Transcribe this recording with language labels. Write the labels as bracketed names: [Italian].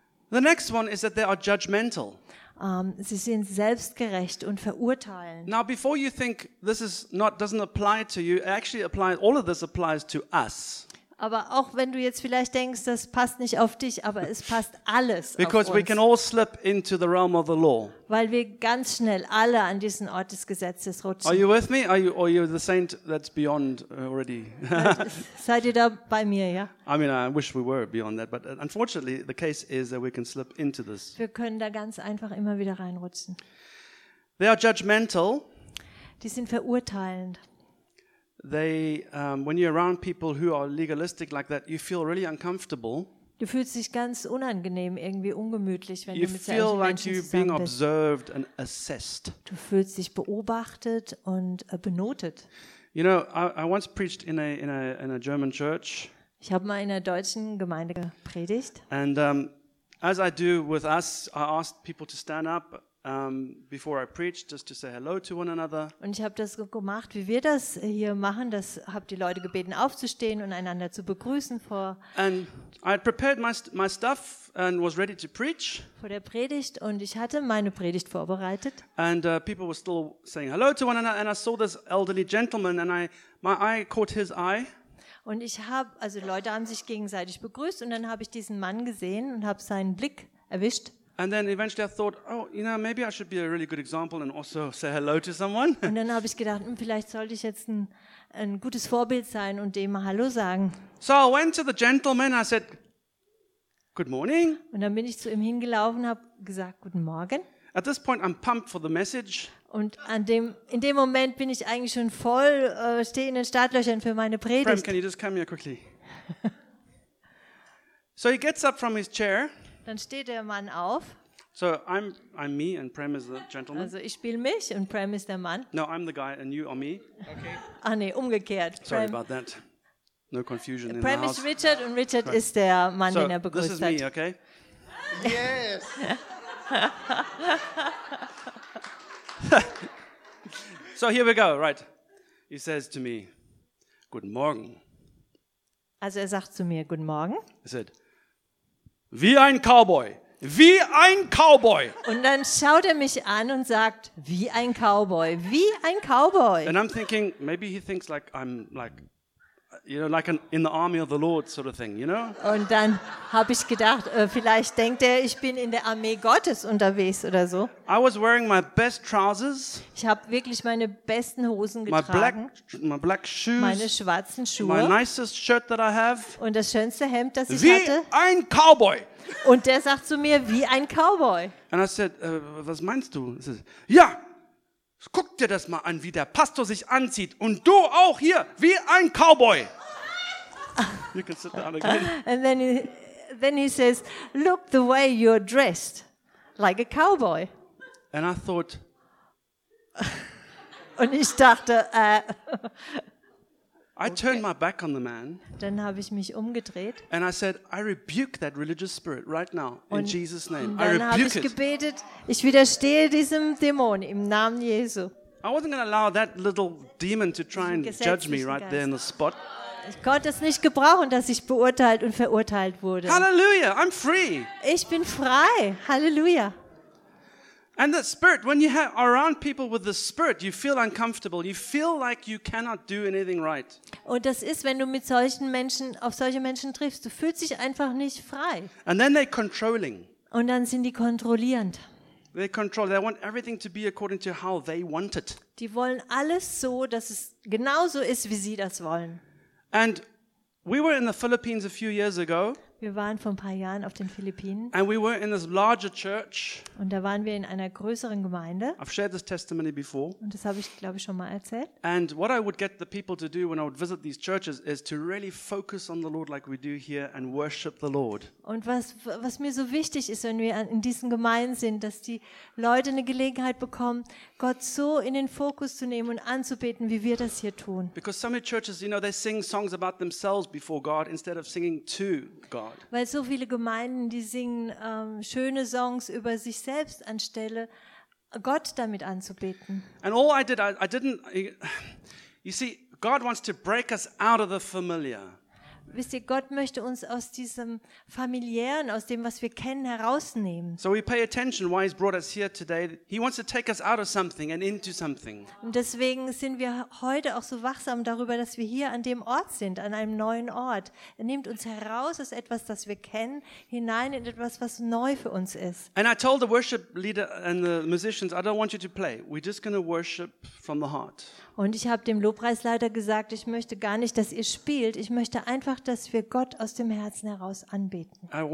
[English] The next one is that they are judgmental. [German] Sie sind selbstgerecht und verurteilen. [English] Now before you think this is not doesn't apply to you, actually applies, all of this applies to us. [German] Aber auch wenn du jetzt vielleicht denkst, das passt nicht auf dich, aber es passt alles auf uns. [English] Because we can all slip into the realm of the law. [German] Weil wir ganz schnell alle an diesen Ort des Gesetzes rutschen. [English] Are you with me? Are you the saint that's beyond already? [German] Seid ihr da bei mir, ja? [English] I mean, I wish we were beyond that, but unfortunately the case is that we can slip into this. [German] Wir können da ganz einfach immer wieder reinrutschen. [English] They are judgmental. [German] Die sind verurteilend. [English] when you're around people who are legalistic like that, you feel really uncomfortable. [German] Du fühlst dich ganz unangenehm, irgendwie ungemütlich, wenn [English] you [German] du mit solchen Menschen [English] like [German] zusammen [English] being [German] bist. [English] Observed and assessed. [German] Du fühlst dich beobachtet und benotet. [English] You know, I once preached in a German church. [German] Ich habe mal in einer deutschen Gemeinde gepredigt. [English] And as I do with us, I asked people to stand up before I preached, just to say hello to one another. [German] Und ich habe das gemacht, wie wir das hier machen. Das habe die Leute gebeten, aufzustehen und einander zu begrüßen vor. [English] And I had prepared my stuff and was ready to preach. [German] Vor der Predigt und ich hatte meine Predigt vorbereitet. [English] And people were still saying hello to one another, and I saw this elderly gentleman, and my eye caught his eye. [German] Und ich habe, also Leute haben sich gegenseitig begrüßt und dann habe ich diesen Mann gesehen und habe seinen Blick erwischt. [English] And then eventually I thought, oh, you know, maybe I should be a really good example and also say hello to someone. [German] Und dann habe ich gedacht, vielleicht sollte ich jetzt ein gutes Vorbild sein und dem mal Hallo sagen. [English] So I went to the gentleman, I said, good morning. [German] Und dann bin ich zu ihm hingelaufen, habe gesagt, guten Morgen. [English] At this point I'm pumped for the message. [German] Und in dem Moment bin ich eigentlich schon voll, stehe in den Startlöchern für meine Predigt. [English] Frank, can you just come here quickly? So he gets up from his chair. [German] Dann steht der Mann auf. [English] So I'm me and Prem is the gentleman. [German] Also ich spiele mich und Prem ist der Mann. [English] No, I'm the guy and you are me. [German] Okay. Ah nee, umgekehrt. [English] Prem. Sorry about that. No confusion in the [German] house. Prem ist Richard und Richard ist der Mann, [English] so, [German] den er begrüßt hat. [English] So this is me, okay? Yes. So here we go, right. He says to me, good morning. [German] Also er sagt zu mir, guten Morgen. [English] I said, [German] wie ein Cowboy, wie ein Cowboy. Und dann schaut er mich an und sagt, wie ein Cowboy, wie ein Cowboy. [English] And I'm thinking, maybe he thinks like I'm like, you know, like an in the army of the Lord sort of thing, you know? [German] Und dann habe ich gedacht, vielleicht denkt er, ich bin in der Armee Gottes unterwegs oder so. [English] I was wearing my best trousers. [German] Ich habe wirklich meine besten Hosen getragen. [English] My black shoes. [German] Meine schwarzen Schuhe. [English] My nicest shirt that I have. [German] Und das schönste Hemd, das ich wie hatte. Wie ein Cowboy. Und der sagt zu mir, wie ein Cowboy. [English] And I said, [German] was meinst du? Er sagt, ja. Guck dir das mal an, wie der Pastor sich anzieht. Und du auch hier, wie ein Cowboy. [English] You can sit down again. And then he says, look the way you're dressed, like a cowboy. And I thought. [German] Und ich dachte. [English] I turned my back on the man. [German] Dann habe ich mich umgedreht. [English] And I said, I rebuke that religious spirit right now in [German] und [English] Jesus' name. [German] Dann [English] I rebuke [German] habe ich gebetet, ich widerstehe diesem Dämon im Namen Jesu. [English] I wasn't going to allow that little demon to try and judge me right there in the spot. [German] Ich konnte es nicht gebrauchen, dass ich beurteilt und verurteilt wurde. [English] Hallelujah, I'm free. [German] Ich bin frei. Hallelujah. [English] And the spirit, when you are around people with the spirit, you feel uncomfortable. You feel like you cannot do anything right. [German] Und das ist, wenn du mit solchen Menschen auf solche Menschen triffst, du fühlst dich einfach nicht frei. [English] And then they're controlling. [German] Und dann sind die kontrollierend. [English] They control. They want everything to be according to how they want it. [German] Die wollen alles so, dass es genauso ist, wie sie das wollen. [English] And we were in the Philippines a few years ago. [German] Wir waren vor ein paar Jahren auf den Philippinen. [English] And we were in this larger church. [German] Und da waren wir in einer größeren Gemeinde. [English] I've shared this testimony before. [German] Und das habe ich, glaube ich, schon mal erzählt. [English] And what I would get the people to do when I would visit these churches is to really focus on the Lord like we do here and worship the Lord. [German] Und was mir so wichtig ist, wenn wir in diesen Gemeinden sind, dass die Leute eine Gelegenheit bekommen, Gott so in den Fokus zu nehmen und anzubeten, wie wir das hier tun. [English] Because so many churches, you know, they sing songs about themselves before God instead of singing to God. [German] Weil so viele Gemeinden, die singen schöne Songs über sich selbst anstelle Gott damit anzubeten. [English] And all I did, I didn't. You see, God wants to break us out of the familiar. [German] Wisst ihr, Gott möchte uns aus diesem familiären, aus dem, was wir kennen, herausnehmen. [English] So we pay attention why he's brought us here today. He wants to take us out of something and into something. [German] Und deswegen sind wir heute auch so wachsam darüber, dass wir hier an dem Ort sind, an einem neuen Ort. Er nimmt uns heraus aus etwas, das wir kennen, hinein in etwas, was neu für uns ist. [English] And I told the worship leader and the musicians, I don't want you to play. We're just going to worship from the heart. [German] Und ich habe dem Lobpreisleiter gesagt, ich möchte gar nicht, dass ihr spielt. Ich möchte einfach, dass wir Gott aus dem Herzen heraus anbeten.